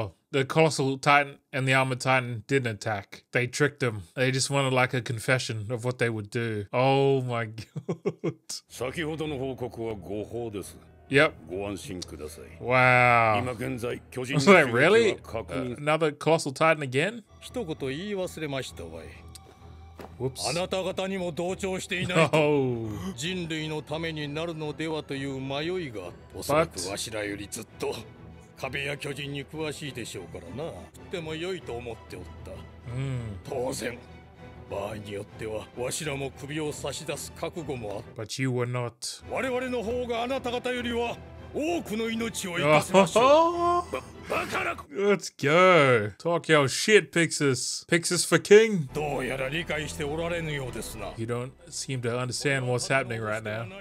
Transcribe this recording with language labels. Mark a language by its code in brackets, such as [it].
[en] The Colossal Titan and the Armored Titan didn't attack. They tricked him. They just wanted like a confession of what they would do. Oh my god. [ja] 先ほどの報告は誤報です。 [en] Yep. [ja] ご安心ください。 [en] Wow. [ja] 今現在巨人の攻撃は確認。 [en] Another Colossal Titan again? [ja] 一言言い忘れましたわい。 [en] Whoops. [ja] あなた方にも同調していないと、 [en] no. [ja] 人類のためになるのではという迷いが、おそらくわしらよりずっと。壁や巨人に詳しいでしょうからな。とても良いと思っておった。当然、場合によってはわしらも首を差し出す覚悟もあった。 [en] But you were not. [ja] 我々の方があなた方よりは多くの命を生かせましょう。バカな。 [en] Let's go. Talk your shit, Pixis. Pixis for king. [ja] どうやら理解しておられぬようですな。 [en] You don't seem to understand what's happening right now.